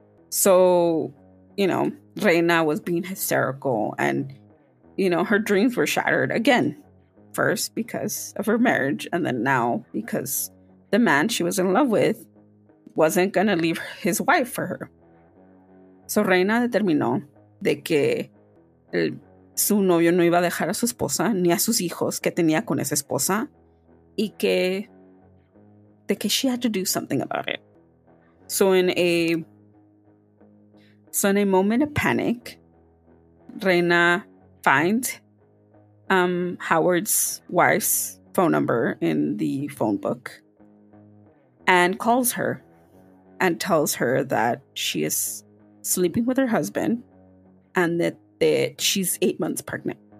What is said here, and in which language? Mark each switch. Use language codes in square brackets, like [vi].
[en] So, you know, Reyna was being hysterical, and, you know, her dreams were shattered again, first because of her marriage, and then now because the man she was in love with wasn't going to leave his wife for her. [es] So Reyna determinó de que su novio no iba a dejar a su esposa ni a sus hijos que tenía con esa esposa y que de que [en] she had to do something about it. So in a moment of panic, Reyna finds Howard's wife's phone number in the phone book and calls her and tells her that she is sleeping with her husband and that she's 8 months pregnant.